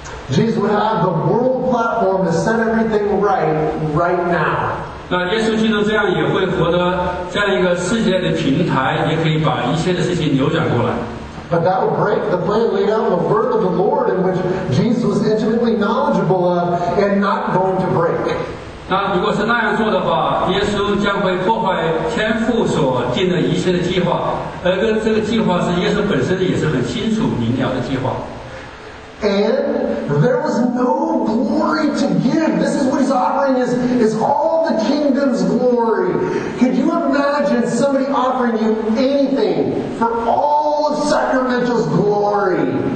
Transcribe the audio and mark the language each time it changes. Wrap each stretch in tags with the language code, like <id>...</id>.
<en>Jesus would have the world platform to set everything right now.</en> <zh>那耶稣基督这样也会获得这样一个世界的平台，也可以把一切的事情扭转过来。</zh> <en>But that would break the plan laid out in the word of the Lord in which Jesus was intimately knowledgeable of and not going to break.</en> <zh>那如果是那样做的话，耶稣将会破坏天父所定的一切的计划，而这个计划是耶稣本身也是很清楚明了的计划。</zh> <en>And there was no glory to give. This is what he's offering is all the kingdom's glory. Could you imagine somebody offering you anything for all of Sacramento's glory?</en>